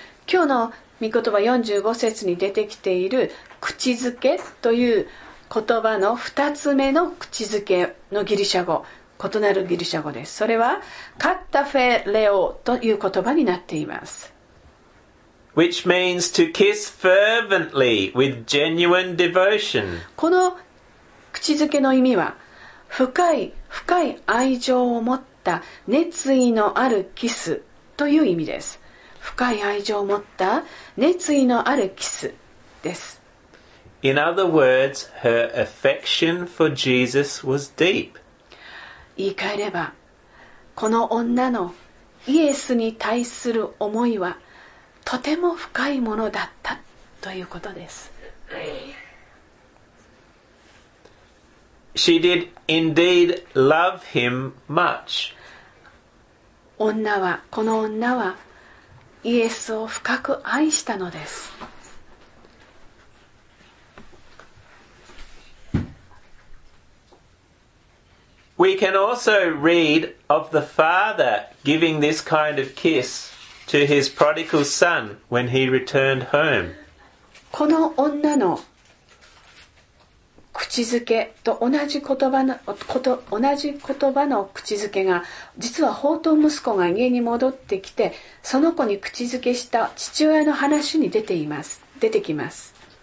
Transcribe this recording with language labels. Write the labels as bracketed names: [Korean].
[Japanese] 今日の御言葉45節に出てきている口づけという言葉の2つ目の口づけのギリシャ語。異なるギリシャ語です。それはカッタフェレオという言葉になっています。 [English] Which means to kiss fervently with genuine devotion. [Japanese] この口づけの意味は、深い愛情を持った熱意のあるキスという意味です。深い愛情を持った熱意のあるキスです。 [English] In other words, her affection for Jesus was deep. [Japanese] 言い換えれば、この女のイエスに対する思いはとても深いものだったということです。 [English] She did indeed love him much. [Japanese] 女は、この女はイエスを深く愛したのです。 [English] We can also read of the father giving this kind of kiss to his prodigal son when he returned home. [Japanese] この女の口づけと同じ言葉のこと同じ言葉の口づけが実は放蕩息子が家に戻ってきてその子に口づけした父親の話に出ています出てきます。